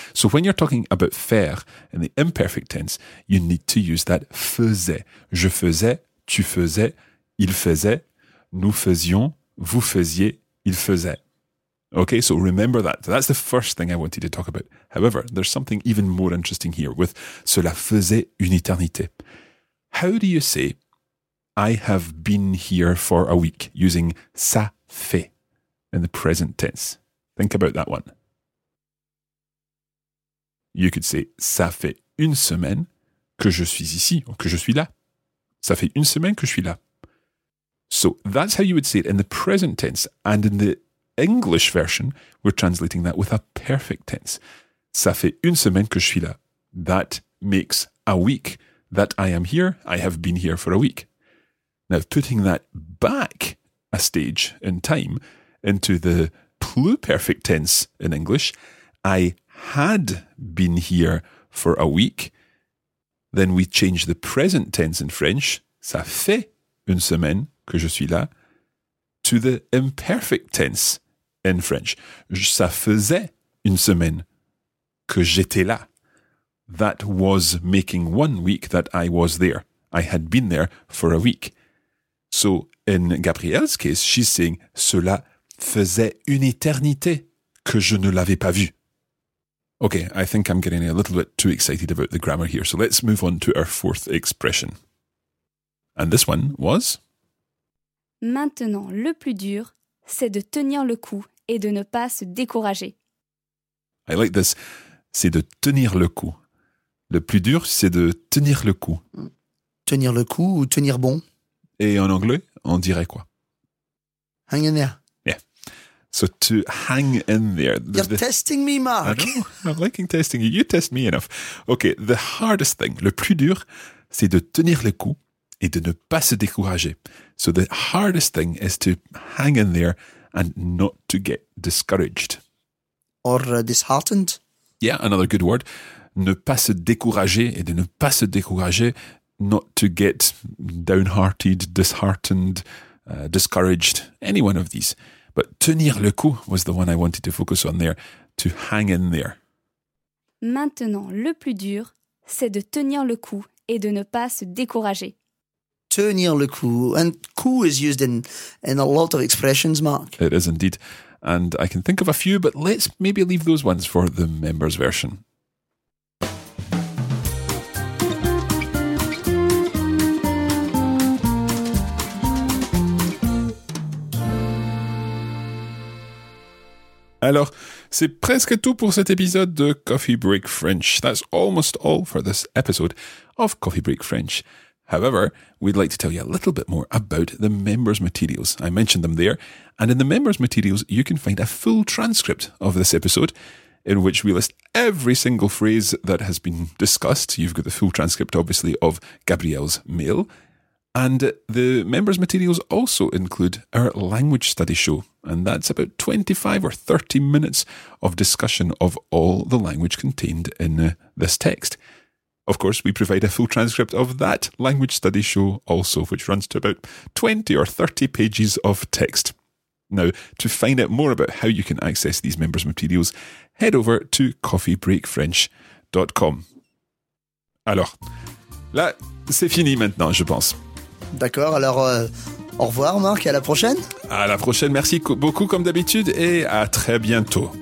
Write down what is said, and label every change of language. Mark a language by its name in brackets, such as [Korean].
[English] So when you're talking about faire in the imperfect tense, you need to use that faisait. [French] Je faisais, tu faisais, il faisait, nous faisions, vous faisiez, il faisait. [English] Okay, so remember that. That's the first thing I wanted to talk about. However, there's something even more interesting here with [French] cela faisait une éternité. [English] How do you say I have been here for a week using ça fait in the present tense? Think about that one. You could say [French] ça fait une semaine que je suis ici ou que je suis là. Ça fait une semaine que je suis là. [English] So that's how you would say it in the present tense. And in the English version, we're translating that with a perfect tense. [French] Ça fait une semaine que je suis là. [English] That makes a week that I am here. I have been here for a week. Now, putting that back a stage in time into the pluperfect tense in English, I had been here for a week. Then we change the present tense in French, [French] ça fait une semaine que je suis là, [English] to the imperfect tense in French, [French] ça faisait une semaine que j'étais là. [English] That was making 1 week that I was there. I had been there for a week. So, in Gabrielle's case, she's saying, [French] cela faisait une éternité que je ne l'avais pas vu. [English] Okay, I think I'm getting a little bit too excited about the grammar here, so let's move on to our fourth expression. And this one was... [French] Maintenant, le plus dur, c'est de tenir le coup et de ne pas se décourager. [English] I like this. [French] C'est de tenir le coup. Le plus dur, c'est de tenir le coup. Tenir le coup ou tenir bon? Et en anglais, on dirait quoi? [English] Hang in there. Yeah. So to hang in there. You're testing me, Mark. I know. I'm liking testing you. You test me enough. Okay, the hardest thing, [French] le plus dur, c'est de tenir le coup et de ne pas se décourager. [English] So the hardest thing is to hang in there and not to get discouraged. Or disheartened. Yeah, another good word. [French] Ne pas se décourager et de ne pas se décourager. [English] Not to get downhearted, disheartened, discouraged, any one of these. But [French] tenir le coup [English] was the one I wanted to focus on there, to hang in there. [French] Maintenant, le plus dur, c'est de tenir le coup et de ne pas se décourager. Tenir le coup. [English] And coup is used in a lot of expressions, Mark. It is indeed. And I can think of a few, but let's maybe leave those ones for the members' version. [French] Alors, c'est presque tout pour cet épisode de Coffee Break French. [English] That's almost all for this episode of Coffee Break French. However, we'd like to tell you a little bit more about the members' materials. I mentioned them there. And in the members' materials, you can find a full transcript of this episode in which we list every single phrase that has been discussed. You've got the full transcript, obviously, of Gabrielle's mail. And the members' materials also include our language study show, and that's about 25 or 30 minutes of discussion of all the language contained in this text. Of course, we provide a full transcript of that language study show also, which runs to about 20 or 30 pages of text. Now, to find out more about how you can access these members' materials, head over to coffeebreakfrench.com. [French] Alors, là, c'est fini maintenant, je pense. D'accord, alors au revoir Marc, à la prochaine. À la prochaine, merci beaucoup comme d'habitude et à très bientôt.